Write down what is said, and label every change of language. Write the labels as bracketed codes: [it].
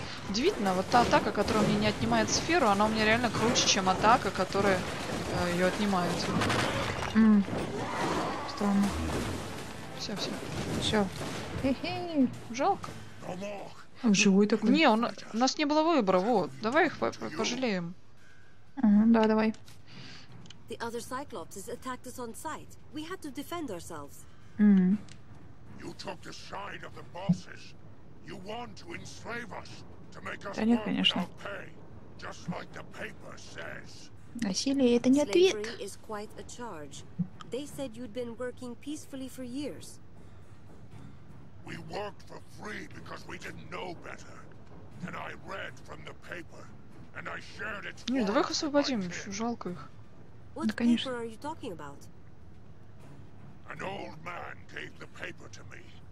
[ru] Удивительно, вот та атака, которая у меня не отнимает сферу, она у меня реально круче, чем атака, которая ее отнимает. Странно. Все, все. Все. Жалко. Он живой такой. Не, у нас не было выбора, вот. Давай их пожалеем. Да, давай. [en] The other cyclops has attacked us on sight. We had to defend ourselves. You took the side of the bosses. You want to enslave us, to make us work without pay, just like the paper says. [ru] Насилие это не ответ. [en] Slavery is quite a charge. They said you'd been working peacefully for years. We worked for free because we didn't know better. And I read from the paper, and I shared it. [ru] Ну давай их освободим, жалко их. [en] What paper are you talking about? An old man gave the paper to me.